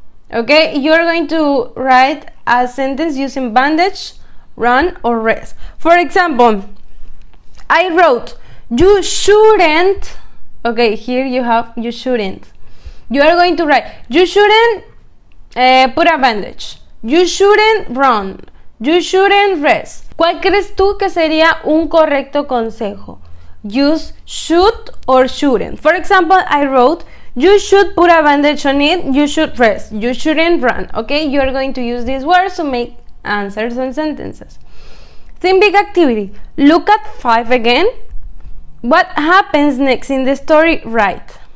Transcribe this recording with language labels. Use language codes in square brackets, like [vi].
[en] Okay, you're going to write a sentence using bandage, run, or rest. For example, I wrote, you shouldn't, okay, here you have, you shouldn't. You are going to write, you shouldn't put a bandage, you shouldn't run, you shouldn't rest. [es] ¿Cuál crees tú que sería un correcto consejo? [en] Use should or shouldn't. For example, I wrote, you should put a bandage on it, you should rest, you shouldn't run. Okay, you're going to use these words to make answers and sentences. Think big activity. Look at 5 again. What happens next in the story? Write.